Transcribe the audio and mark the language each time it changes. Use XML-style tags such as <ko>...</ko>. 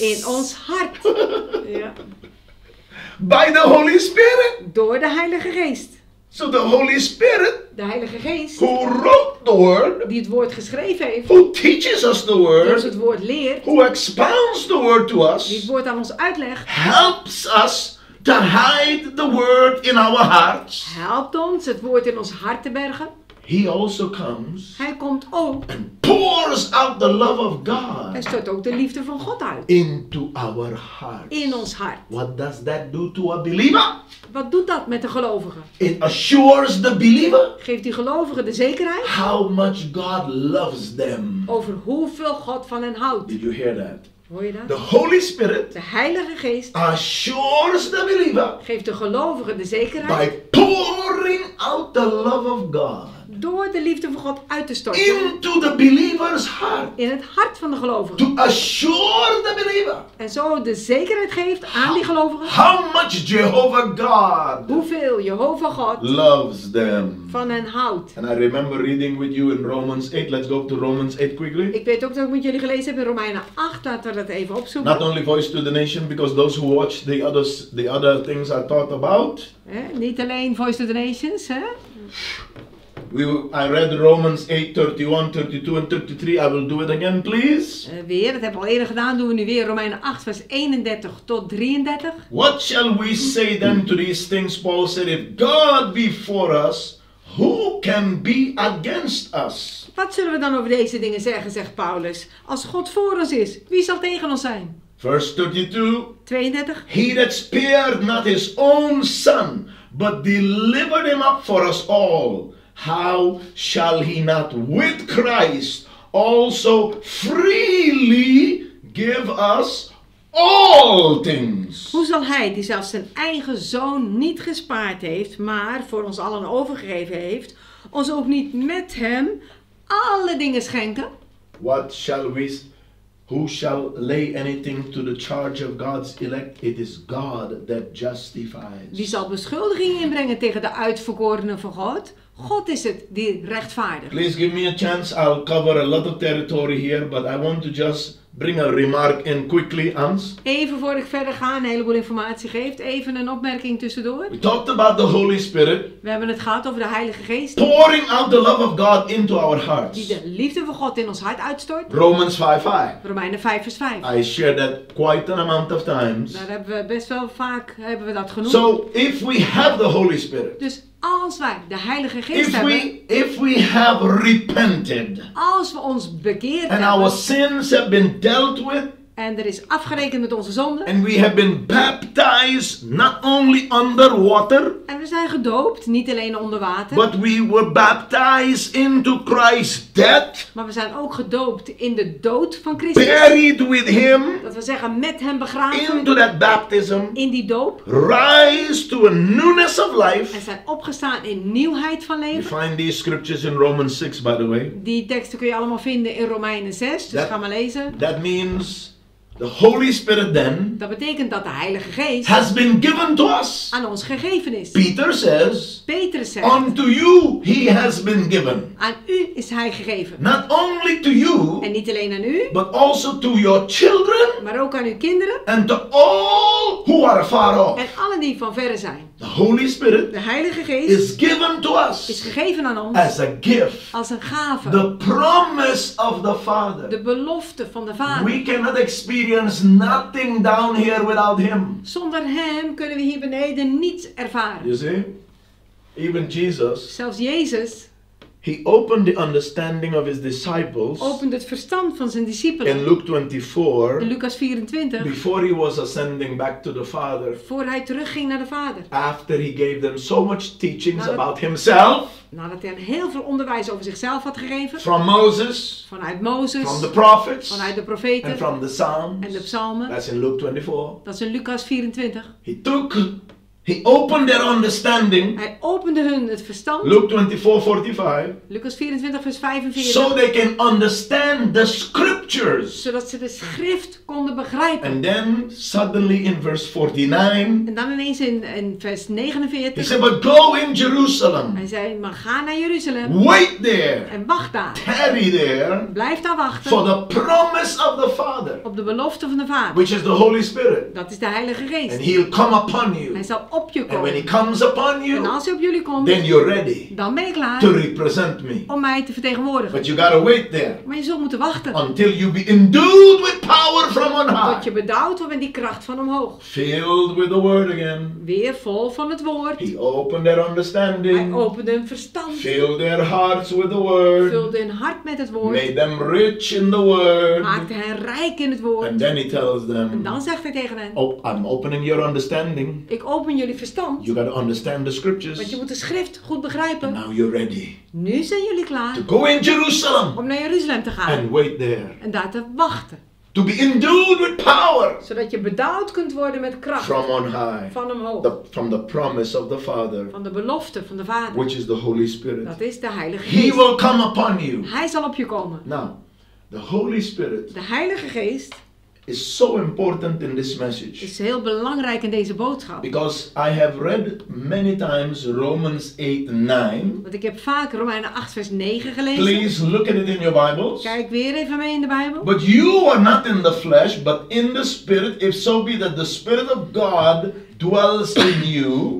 <nl>In ons hart. Ja.</nl> <en>By the Holy Spirit.</en> <nl>Door de Heilige Geest.</nl> <en>So the Holy Spirit.</en> <nl>De Heilige Geest.</nl> <en>Who wrote the word.</en> <nl>Die het woord geschreven heeft.</nl> <en>Who teaches us the word.</en> <nl>Dus het woord leert.</nl> <en>Who expounds the word to us.</en> <nl>Die het woord aan ons uitlegt.</nl> <en>Helps us to hide the word in our hearts.</en> <nl>Helpt ons het woord in ons hart te bergen.</nl> <en>He also comes.</en> <nl>Hij komt ook.</nl> <en>And pours out the love of God.</en> <nl>Hij stort ook de liefde van God uit.</nl> <en>Into our hearts.</en> <nl>In ons hart.</nl> <en>What does that do to a believer?</en> <nl>Wat doet dat met de gelovige?</nl> <en>It assures the believer.</en> <nl>Geeft die gelovige de zekerheid.</nl> <en>How much God loves them.</en> <nl>Over hoeveel God van hen houdt.</nl> <en>Did you hear that?</en> <nl>Hoor je dat?</nl> <en>The Holy Spirit.</en> <nl>De Heilige Geest.</nl> <en>Assures the believer.</en> <nl>Geeft de gelovige de zekerheid.</nl> <en>By pouring out the love of God.</en> <nl>Door de liefde van God uit te storten.</nl> <en>Into the believer's heart.</en> <nl>In het hart van de gelovigen.</nl> <en>To assure the believer.</en> <nl>En zo de zekerheid geeft aan die gelovigen.</nl> <en>How much Jehovah God.</en> <nl>Hoeveel Jehovah God.</nl> <en>Loves them.</en> <nl>Van hen houdt.</nl> <en>And I remember reading with you in Romans 8. Let's go to Romans 8 quickly.</en> <nl>Ik weet ook dat ik met jullie gelezen heb in Romeinen 8. Laten we dat even opzoeken.</nl> <en>Not only voice to the nation, because those who watch the other things I thought about.</en> <nl>Niet alleen</nl> <en>voice to the nations,</en> <nl>hè?</nl> <en>I read Romans 8, 31, 32 and 33. I will do it again, please.</en> <nl>Weer, dat hebben we al eerder gedaan. Doen we nu weer Romeinen 8, vers 31 tot 33.</nl> <en>What shall we say then to these things, Paul said? If God be for us, who can be against us?</en> <nl>Wat zullen we dan over deze dingen zeggen, zegt Paulus? Als God voor ons is, wie zal tegen ons zijn?</nl> <en>Verse 32. 32. He that spared not his own son, but delivered him up for us all. How shall he not with Christ also freely give us all things?</en> <nl>Hoe zal hij die zelfs zijn eigen zoon niet gespaard heeft, maar voor ons allen overgegeven heeft, ons ook niet met hem alle dingen schenken?</nl> <en>What shall we? Who shall lay anything to the charge of God's elect? It is God that justifies.</en> <nl>Wie zal beschuldiging inbrengen tegen de uitverkorenen van God? God is het die rechtvaardigt.</nl> <en>Please give me a chance. I'll cover a lot of territory here, but I want to just bring a remark in quickly, Hans.</en> <nl>Even voor ik verder ga, een heleboel informatie geeft. Even een opmerking tussendoor.</nl> <en>We talked about the Holy Spirit.</en> <nl>We hebben het gehad over de Heilige Geest.</nl> <en>Pouring out the love of God into our hearts.</en> <nl>Die de liefde van God in ons hart uitstort.</nl> <en>Romans 5:5.</en> <nl>Romeinen 5 vers 5.</nl> <en>I shared that quite an amount of times.</en> <nl>Daar hebben we best wel vaak hebben we dat genoemd.</nl> <en>So if we have the Holy Spirit.</en> <nl>Dus als wij de Heilige Geest</nl> <en>if we,</en> <nl>hebben.</nl> <en>If we have repented.</en> <nl>Als we ons bekeerd hebben.</nl> <en>And our sins have been dealt with.</en> <nl>En er is afgerekend met onze zonden.</nl> <en>And we have been baptized not only under water.</en> <nl>En we zijn gedoopt, niet alleen onder water.</nl> <en>But we were baptized into Christ's death.</en> <nl>Maar we zijn ook gedoopt in de dood van Christus.</nl> <en>Buried with him.</en> <nl>Dat we zeggen met hem begraven.</nl> <en>Into that baptism.</en> <nl>In die doop.</nl> <en>Rise to a newness of life.</en> <nl>En zijn opgestaan in nieuwheid van leven.</nl> <en>You find these scriptures in Romans 6, by the way.</en> <nl>Die teksten kun je allemaal vinden in Romeinen 6. Dus ga maar lezen.</nl> <en>That means the Holy Spirit then.</en> <nl>Dat betekent dat de Heilige Geest.</nl> <en>Has been given to us.</en> <nl>Aan ons gegeven is.</nl> <en>Peter says.</en> <nl>Petrus zegt.</nl> <en>Unto you he has been given.</en> <nl>Aan u is hij gegeven.</nl> <en>Not only to you.</en> <nl>En niet alleen aan u.</nl> <en>But also to your children.</en> <nl>Maar ook aan uw kinderen.</nl> <en>And to all who are far off.</en> <nl>En allen die van verre zijn.</nl> <en>The Holy Spirit.</en> <nl>De Heilige Geest.</nl> <en>Is given to us.</en> <nl>Is gegeven aan ons.</nl> <en>As a gift.</en> <nl>Als een gave.</nl> <en>The promise of the Father.</en> <nl>De belofte van de Vader.</nl> <en>We cannot experience nothing down here without him.</en> <nl>Zonder hem kunnen we hier beneden niets ervaren.</nl> <en>You see? Even Jesus.</en> <nl>Zelfs Jezus.</nl> <en>He opened the understanding of his disciples.</en> <nl>Opent het verstand van zijn discipelen.</nl> <en>In Luke 24.</en> <nl>In Lucas 24.</nl> <en>Before he was ascending back to the Father.</en> <nl>Voor hij terugging naar de Vader.</nl> <en>After he gave them so much teachings</en> <nl>nadat,</nl> <en>about himself.</en> <nl>Nadat hij hen heel veel onderwijs over zichzelf had gegeven.</nl> <en>From Moses.</en> <nl>Vanuit Mozes.</nl> <en>From the prophets.</en> <nl>Vanuit de profeten.</nl> <en>And from the Psalms.</en> <nl>En de psalmen.</nl> <en>That's in Luke 24.</en> <nl>Dat is in Lucas 24.</nl> <en>He opened their understanding.</en> <nl>Hij opende hun het verstand.</nl> <en>Luke 24:45.</en> <nl>Lucas 24 vers 45.</nl> <en>So they can understand the scriptures.</en> <nl>Zodat ze de schrift konden begrijpen.</nl> <en>And then suddenly in verse 49.</en> <nl>En dan ineens in vers 49.</nl> <en>He said, but go in Jerusalem.</en> <nl>Hij zei, maar ga naar Jeruzalem.</nl> <en>Wait there.</en> <nl>En wacht daar.</nl> <en>Tarry there.</en> <nl>Blijf daar wachten.</nl> <en>For the promise of the Father.</en> <nl>Op de belofte van de Vader.</nl> <en>Which is the Holy Spirit.</en> <nl>Dat is de Heilige Geest.</nl> <en>And he'll come upon you.</en> <nl>Hij zal op je komen.</nl> <en>And when he comes upon you,</en> <nl>en als hij op jullie komt,</nl> <en>then you're ready,</en> <nl>dan ben je klaar</nl> <en>to represent me.</en> <nl>Om mij te vertegenwoordigen.</nl> <en>But you gotta wait there,</en> <nl>maar je zult moeten wachten</nl> <en>until you be endued with power from on high.</en> <nl>Tot je bedouwd wordt met die kracht van omhoog.</nl> <en>Filled with the word again.</en> <nl>Weer vol van het woord.</nl> <en>He opened their understanding.</en> <nl>Hij opende hun verstand.</nl> <en>Filled their hearts with the word.</en> <nl>Vulde hun hart met het woord.</nl> <en>Made them rich in the word.</en> <nl>Maakte hen rijk in het woord.</nl> <en>And then he tells them,</en> <nl>en dan zegt hij tegen hen,</nl> <en>oh, I'm opening your understanding.</en> <nl>Ik open jullie verstand.</nl> <en>You gotta understand the scriptures.</en> <nl>Want je moet de schrift goed begrijpen.</nl> <en>And now you're ready.</en> <nl>Nu zijn jullie klaar.</nl> <en>To go in Jerusalem.</en> <nl>Om naar Jeruzalem te gaan.</nl> <en>And wait there.</en> <nl>En daar te wachten.</nl> <en>To be endued with power.</en> <nl>Zodat je bedaald kunt worden met kracht.</nl> <en>From on high.</en> <nl>Van omhoog.</nl> <en>From the promise of the Father.</en> <nl>Van de belofte van de Vader.</nl> <en>Which is the Holy Spirit.</en> <nl>Dat is de Heilige Geest.</nl> <en>He will come upon you.</en> <nl>Hij zal op je komen.</nl> <en>Now, the Holy Spirit.</en> <nl>De Heilige Geest.</nl> <en>Is so important in this message.</en> <nl>Is heel belangrijk in deze boodschap.</nl> <en>Because I have read many times Romans 8 and 9.</en> <nl>Want ik heb vaak Romeinen 8 vers 9 gelezen.</nl> <en>Please look at it in your Bibles.</en> <nl>Kijk weer even mee in de Bijbel.</nl> <en>But you are not in the flesh, but in the spirit, if so be that the spirit of God dwells in you.</en>